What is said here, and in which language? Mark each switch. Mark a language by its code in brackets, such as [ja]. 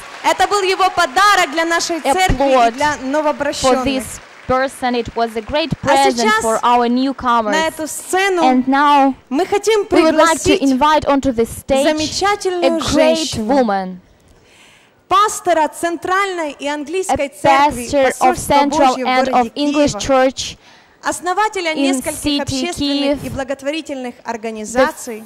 [ru] Это был его подарок для нашей церкви и для новообращенных. [en] Person, it was a great present for our newcomers. And now [ru] мы хотим пригласить замечательную женщину, пастора центральной и английской церкви, основателя нескольких общественных и благотворительных организаций,